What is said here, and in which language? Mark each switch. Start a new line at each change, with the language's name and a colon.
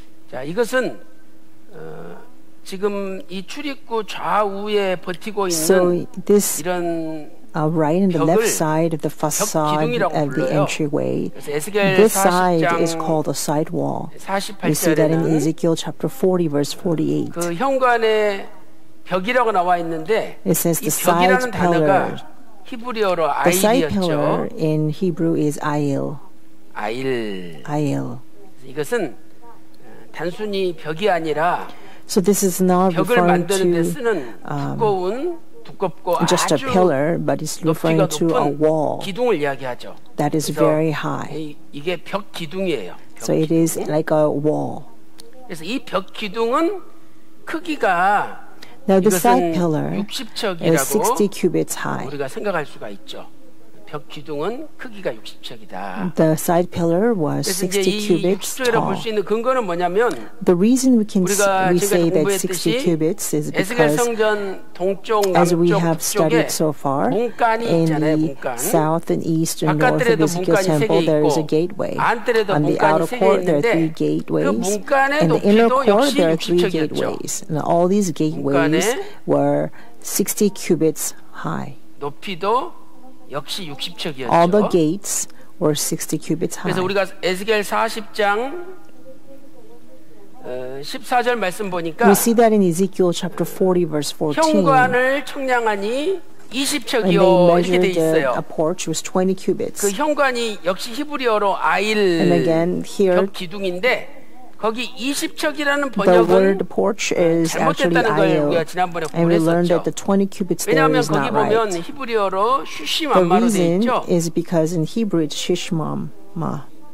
Korean: 자, 이것은 지금 이 출입구 좌우에 버티고 있는
English: so this
Korean: 이런
English: Right on the left side of the facade of the entryway, this side is called the side wall. You see that in Ezekiel chapter 40, verse 48.
Korean: 그 현관에 벽이라고 나와 있는데,
English: it says the side pillar. The side pillar in Hebrew is ail. Ail. Ail.
Korean: 이것은 단순히 벽이 아니라,
English: so this is not referring to. Just a pillar, but it's referring to a wall that is very high.
Korean: 이게 벽 기둥이에요. 벽
English: so it
Korean: 기둥.
English: is like a wall.
Korean: 그래서 이 벽 기둥은 크기가
English: Now the side pillar
Korean: 60척이라고
English: is 60 cubits high.
Korean: 우리가 생각할 수가 있죠. 벽 기둥은 크기가 60척이다.
English: The side pillar was 60 cubits tall.
Korean: 60절을 볼 수 있는 근거는 뭐냐면
English: The reason we say that 60 cubits is because
Korean: 성전 동쪽
English: as we have studied so far
Korean: 문간이
English: in
Korean: 있잖아요, 문간.
English: south and east and north of Ezekiel temple there is a gateway. On the outer court there are three gateways. 그 and the inner court there are three
Korean: 60척이었죠.
English: gateways. And all these gateways were 60 cubits high.
Korean: 높이도 역시 60척이었죠.
English: All the gates were 60 cubits high.
Korean: 그래서 우리가 에스겔 40장 14절 말씀 보니까
English: We see that in Ezekiel chapter 40 verse 14.
Korean: 현관을 측량하니 20척이요 이렇게 돼 있어요.
English: And they measured a porch was 20 cubits.
Korean: 그 현관이 역시 히브리어로 아일
English: And again, here,
Korean: 벽 기둥인데 거기 20척이라는 번역은 잘못됐다는 걸 우리가 지난번에 공부했었죠. 왜냐하면 거기
English: right.
Korean: 보면 히브리어로 슈심암마로 되어 있죠.
English: The reason is because in Hebrew it's 슈심암마.